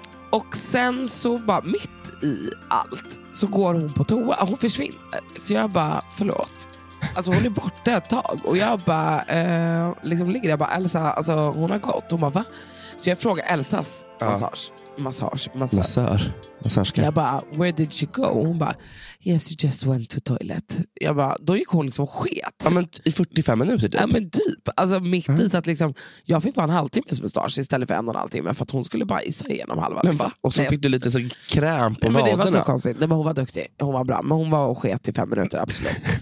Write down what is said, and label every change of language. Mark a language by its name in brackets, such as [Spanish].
[Swedish] Och sen så bara mitt i allt så går hon på toa. Hon försvinner. Så jag bara, förlåt. Alltså hon är borta ett tag. Och jag bara, liksom ligger där. Jag bara, Elsa, alltså hon har gått. Hon bara, va? Så jag frågar Elsas massage. Jag bara, [English] where did she go? [Swedish] Hon bara, [English] yes, she just went to toilet. [Swedish] Jag bara, då gick hon liksom sket. Ja, men i 45 minuter typ. Ja, men typ. Alltså mitt i, så att liksom, jag fick bara en halvtimme som massage istället för en och en halvtimme. För att hon skulle bajsa igenom halva. Men va? Och så fick du lite så kräm på vaderna. Men det var så konstigt. Nej, men hon var duktig. Hon var bra. Men hon var och sket i 5 minuter, absolut.